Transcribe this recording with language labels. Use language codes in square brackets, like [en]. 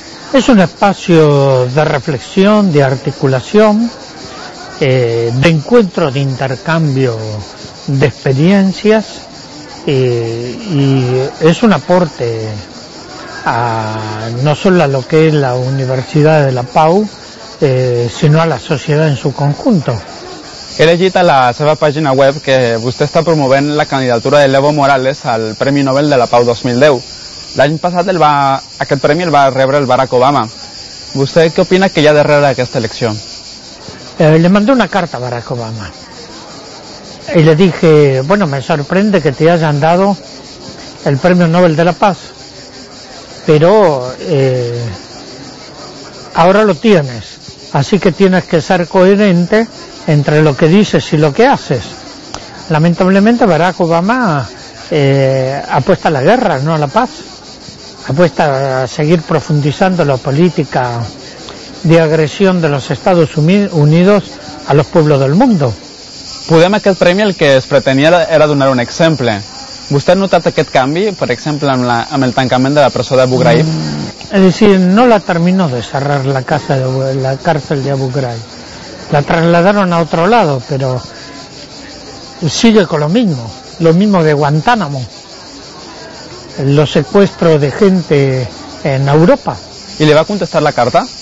[es] És un espai de reflexió, d'articulació, d'encuentro, d'intercanvi d'experiències, y es un aporte a, no solo a lo que es la Universidad de la Pau, sino a la sociedad en su conjunto. [ca] He llegit a la seva pàgina web que vostè està promovent la candidatura de l'Evo Morales al Premi Nobel de la Pau 2010. L'any passat aquest premi el va rebre el Barack Obama. Vostè què opina que hi ha darrere d'aquesta elecció? [es] Le mandé una carta a Barack Obama. Y le dije, bueno, me sorprende que te hayan dado el Premio Nobel de la Paz, pero ahora lo tienes, así que tienes que ser coherente entre lo que dices y lo que haces. Lamentablemente Barack Obama apuesta a la guerra, no a la paz, apuesta a seguir profundizando la política de agresión de los Estados Unidos a los pueblos del mundo. [ca] Podem aquest premi el que es pretenia era donar un exemple. Vostè ha notat aquest canvi, per exemple, amb el tancament de la presó d'Abu Ghraib? [es] És a dir, no la terminó de cerrar la cárcel de Abu Ghraib. La trasladaron a otro lado, pero sigue con lo mismo de Guantánamo. Los secuestros de gente en Europa. ¿Y le va a contestar la carta?